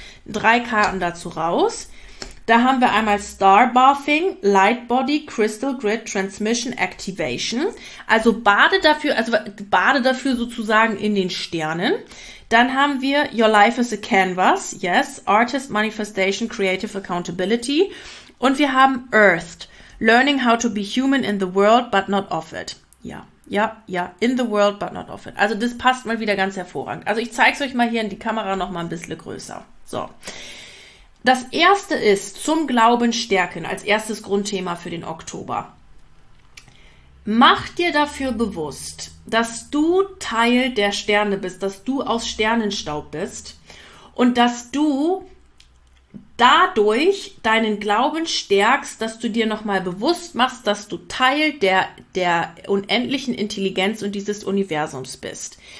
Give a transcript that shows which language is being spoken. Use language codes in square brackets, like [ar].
[de] Drei Karten dazu raus. Da haben wir einmal Star Bathing, Light Body, Crystal Grid, Transmission, Activation. Also bade dafür sozusagen in den Sternen. Dann haben wir Your Life is a Canvas. [en] Yes. Artist, Manifestation, Creative Accountability. [de] Und wir haben [en] Earthed. Learning how to be human in the world, but not of it. [de] Ja, ja, ja, [en] in the world, but not of it. [de] Also das passt mal wieder ganz hervorragend. Also ich zeige es euch mal hier in die Kamera noch mal ein bisschen größer. So, das erste ist zum Glauben stärken, als erstes Grundthema für den Oktober. Mach dir dafür bewusst, dass du Teil der Sterne bist, dass du aus Sternenstaub bist und dass du dadurch deinen Glauben stärkst, dass du dir nochmal bewusst machst, dass du Teil der unendlichen Intelligenz und dieses Universums bist.